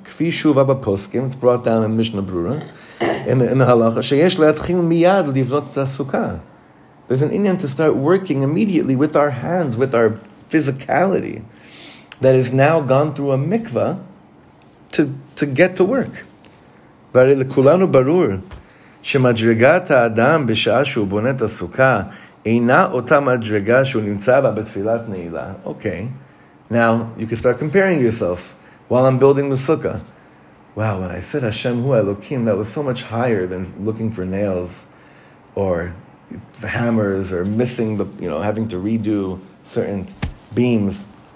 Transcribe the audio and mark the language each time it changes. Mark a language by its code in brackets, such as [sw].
[he] Kfi shuvah b'poskim, [en] it's brought down in Mishnah Brura, in the halacha, [he] sheyesh le'atchil miyad livnot tasukah. [en] There's an inyan to start working immediately with our hands, with our physicality, that has now gone through a mikvah to get to work. [he] V'arei l'kulanu barur. שמדרגת האדם בשעה שהוא בונה את הסוכה אינה אותה מדרגה שהוא נמצא בה בתפילת נעילה. [en] Okay, now you can start comparing yourself while I'm building the sukkah. Wow, when I said Hashem Hu Elokim, that was so much higher than looking for nails or hammers or missing the, you know, having to redo certain beams.